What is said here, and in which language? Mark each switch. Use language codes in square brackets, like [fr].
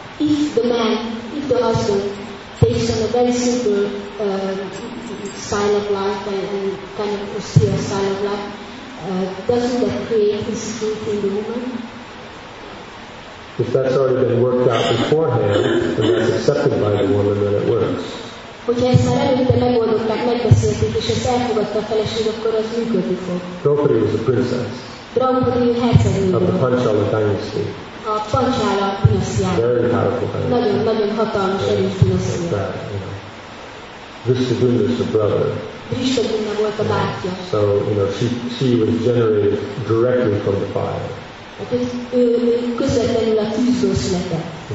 [en] If the husband takes on a very simple style of life and kind of austere style of life, doesn't that create insecurity in the woman? If that's already been worked out beforehand and that's accepted by the woman, then it works. [hu] Hogyha ezt már előtte megoldották, megbeszélték, és ezt elfogadta a feleség, akkor az működni fog. [en] Draupadi was a princess. [hu] Draupadi hercegnő. [en] Of the Panchala dynasty. [hu] A Panchala dinasztiája. [en] Very powerful dynasty. [hu] Nagyon, nagyon hatalmas, erős dinasztiája. [en] Vrishabhumna is the brother. [hu] Vrishabhumna volt a bátyja. [en] So, you know, she was generated directly from the fire. [hu] Közvetlenül a tűzből született.